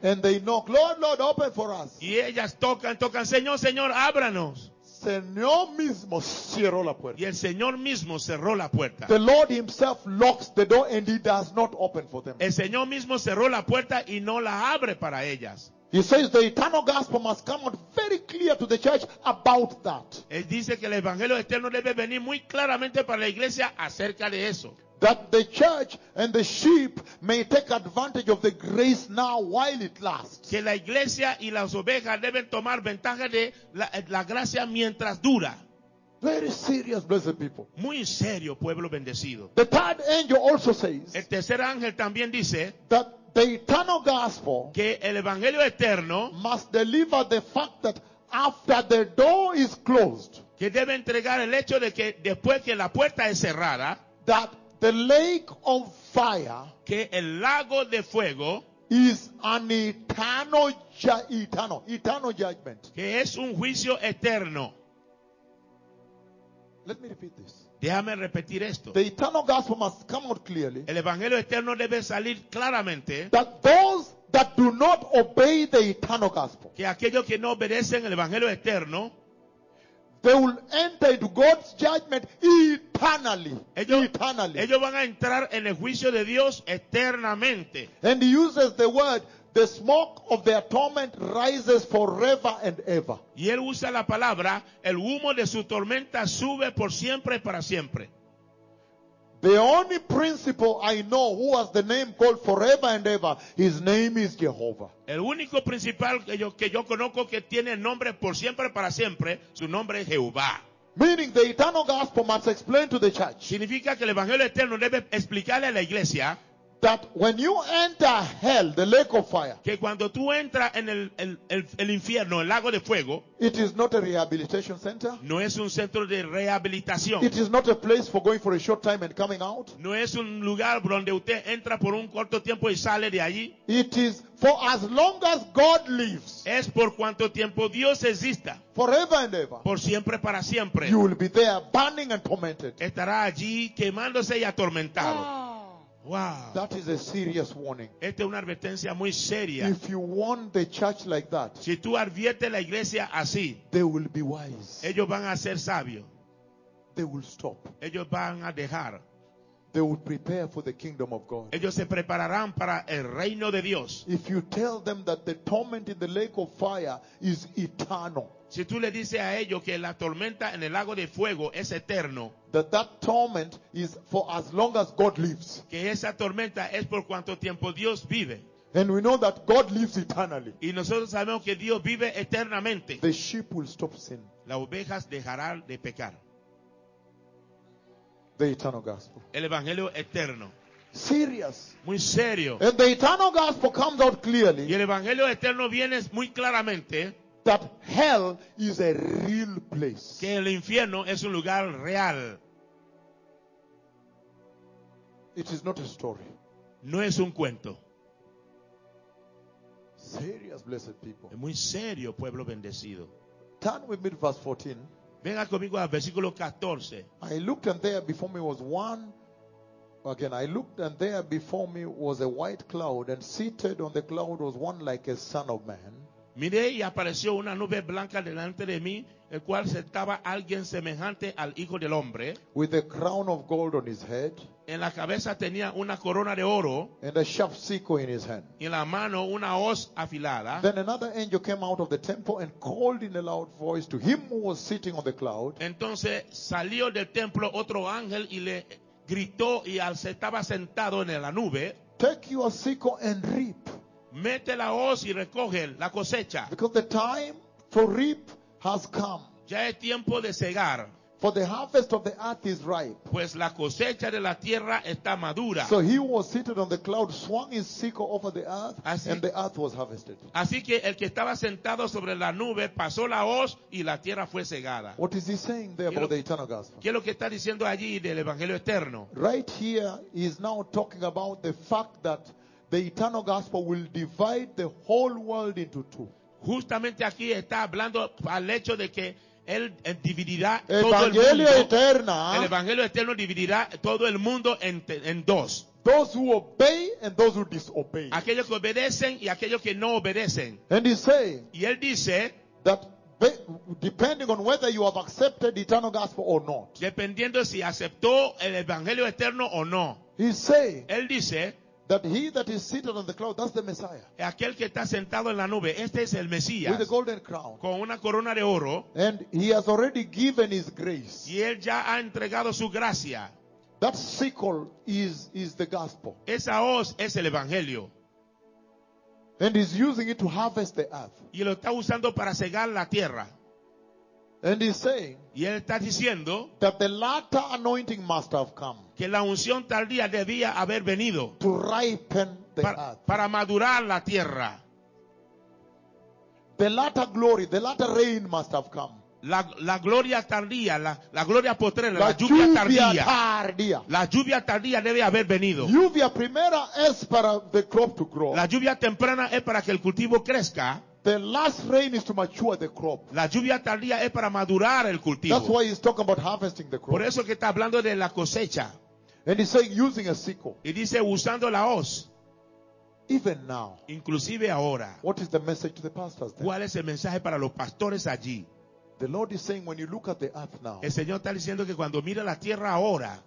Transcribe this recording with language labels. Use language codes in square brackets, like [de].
[en] And they knock, Lord, Lord, open for us. [es] Y ellas tocan, Señor, Señor, ábranos. Señor mismo cerró la puerta. Y el Señor mismo cerró la puerta. [en] The Lord himself locks the door and he does not open for them. [es] El Señor mismo cerró la puerta y no la abre para ellas. [en] He says the eternal gospel must come out very clear to the church about that. [es] Él dice que el evangelio eterno debe venir muy claramente para la iglesia acerca de eso. [en] That the church and the sheep may take advantage of the grace now while it lasts. [es] Que la iglesia y las ovejas deben tomar ventaja de la gracia mientras dura. [en] Very serious, blessed people. [es] Muy serio, pueblo bendecido. [en] The third angel also says. [es] El tercer ángel también dice. [en] That the eternal gospel. [es] Que el evangelio eterno. [en] Must deliver the fact that after the door is closed. [es] Que debe entregar el hecho de que después que la puerta es cerrada. [en] That the lake of fire, [es] que el lago de fuego, [en] is an eternal judgment. [es] Que es un juicio eterno. [en] Let me repeat this. [es] Déjame repetir esto. [en] The eternal gospel must come out clearly. [es] El evangelio eterno debe salir claramente. [en] That those that do not obey the eternal gospel, [es] que aquellos que no obedecen el evangelio eterno, [en] they will enter into God's judgment eternally. [es] Ellos van a entrar en el juicio de Dios eternamente. [en] And he uses the word, the smoke of their torment rises forever and ever. [es] Y él usa la palabra, el humo de su tormenta sube por siempre para siempre. [en] The only principle I know who has the name called forever and ever, his name is Jehovah. [es] El único principal que yo conozco que tiene nombre por siempre para siempre, su nombre es Jehová. [en] Meaning the eternal gospel must explain to the church. [es] Significa que el evangelio eterno debe explicarle a la iglesia. [en] That when you enter hell, the lake of fire, [es] que cuando tú entras en el infierno, el lago de fuego, [en] it is not a rehabilitation center. [es] No es un centro de rehabilitación. [en] It is not a place for going for a short time and coming out. [es] No es un lugar donde usted entra por un corto tiempo y sale de allí. [en] It is for as long as God lives. [es] Es por cuanto tiempo Dios exista. [en] Forever and ever. [es] Por siempre para siempre. [en] You will be there burning and tormented. [es] Estará allí quemándose y atormentado. Oh. Wow. [en] That is a serious warning. [es] Esta es una advertencia muy seria. [en] If you warn the church like that, [es] si tú adviertes la iglesia así, [en] they will be wise. [es] Ellos van a ser sabios. [en] They will stop. [es] Ellos van a dejar. [en] They will prepare for the kingdom of God. [es] Ellos se prepararán para el reino de Dios. [en] If you tell them that the torment in the lake of fire is eternal. [es] Si tú le dices a ellos que la tormenta en el lago de fuego es eterno. [en] That torment is for as long as God lives. [es] Que esa tormenta es por cuanto tiempo Dios vive. [en] And we know that God lives eternally. [es] Y nosotros sabemos que Dios vive eternamente. [en] The sheep will stop sin. [es] Las ovejas dejarán de pecar. [en] The eternal gospel. [es] El evangelio eterno. [en] Serious. [es] Muy serio. [en] And the eternal gospel comes out clearly. [es] Y el evangelio eterno viene muy claramente. [en] That hell is a real place. [es] Que el infierno es un lugar real. [en] It is not a story. [es] No es un cuento. [en] Serious, blessed people. [es] Muy serio, pueblo bendecido. [en] Turn with me to verse 14. [es] Venga conmigo al versículo 14. [en] I looked and there before me was one. Again, I looked and there before me was a white cloud, and seated on the cloud was one like a son of man. [es] Miré y apareció una nube blanca delante de mí, el cual sentaba alguien semejante al Hijo del Hombre. [en] With a crown of gold on his head. [es] En la cabeza tenía una corona de oro. [en] And a sharp sickle in his hand. [es] Y en la mano una hoz afilada. [en] Then another angel came out of the temple and called in a loud voice to him who was sitting on the cloud. [es] Entonces salió del templo otro ángel y le gritó y al se estaba sentado en la nube. [en] Take your sickle and reap. [es] Mete la hoz y recoge la cosecha. [en] Because the time for reap has come. [es] Ya es tiempo de segar. [en] For the harvest of the earth is ripe. [es] Pues la cosecha de la tierra está madura. [en] So he was seated on the cloud, swung his sickle over the earth, así, and the earth was harvested. [es] Así que el que estaba sentado sobre la nube pasó la hoz y la tierra fue segada. [en] What is he saying there about the eternal gospel? [es] ¿Qué es lo que está diciendo allí del evangelio eterno? [en] Right here he is now talking about the fact that the eternal gospel will divide the whole world into two. [es] Justamente aquí está hablando al hecho de que él dividirá evangelio todo el mundo. Eterna, el evangelio eterno dividirá todo el mundo en dos. [en] Those who obey and those who disobey. [es] Aquellos que obedecen y aquellos que no obedecen. [en] And he's saying, [es] y él dice [en] that depending on whether you have accepted the eternal gospel or not. [es] Dependiendo si aceptó el evangelio eterno o no. [en] He's saying, [es] él dice [en] that he that is seated on the cloud, that's the Messiah. [es] Aquel que está sentado en la nube, este es el Mesías. [en] With a golden crown. [es] Con una corona de oro. [en] And he has already given his grace. [es] Y él ya ha entregado su gracia. [en] That sickle is the gospel. [es] Esa hoz es el evangelio. [en] And he's using it to harvest the earth. [es] Y lo está usando para segar la tierra. [en] And he's saying, [es] y él está diciendo, [en] that the latter anointing must have come. [es] Que la unción tardía debía haber venido [en] to ripen the earth. [es] Para madurar la tierra. [en] The latter glory, the latter rain must have come. [es] La gloria tardía, la gloria postrera, la lluvia tardía. La lluvia tardía debe haber venido. Lluvia primera es para [en] the crop to grow. [es] La lluvia temprana es para que el cultivo crezca. [en] The last rain is to mature the crop. [es] La lluvia tardía es para madurar el cultivo. [en] That's why he's talking about harvesting the crop. [es] Por eso que está hablando de la cosecha. [en] And he's saying using a sickle. [es] Y dice usando la hoz. [en] Even now. [es] Inclusive ahora. [en] What is the message to the pastors then? [es] ¿Cuál es el mensaje para los pastores allí? [en] The Lord is saying when you look at the earth now. [es] El Señor está diciendo que cuando mira la tierra ahora.